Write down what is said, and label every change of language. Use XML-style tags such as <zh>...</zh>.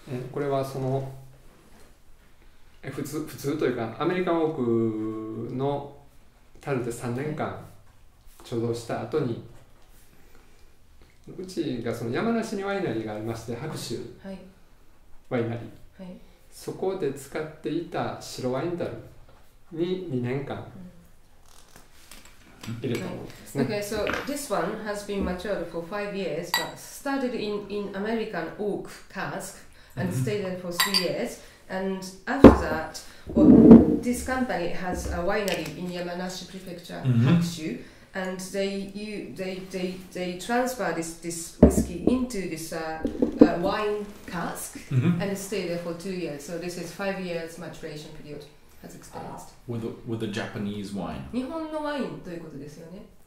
<ja>これはその普通というかアメリカンオークの樽で3年間貯蔵した後にうちがその山梨にワイナリーがありまして、白州ワイナリー、はいはい、そこで使っていた白ワインダルに2年間入れたものですね、</ja> <en>はい、Okay, so this one has been matured for 5 years but started in American oak cask and stayed there for 3 years and after that well, this company has a winery in Yamanashi Prefecture, Hakushu、 mm-hmm. And they transfer this whiskey into this wine cask、 mm-hmm. and stay there for 2 years. So this is 5 years maturation period has experienced. With the Japanese wine.</en> <ja>日本のワインということですよね。</ja>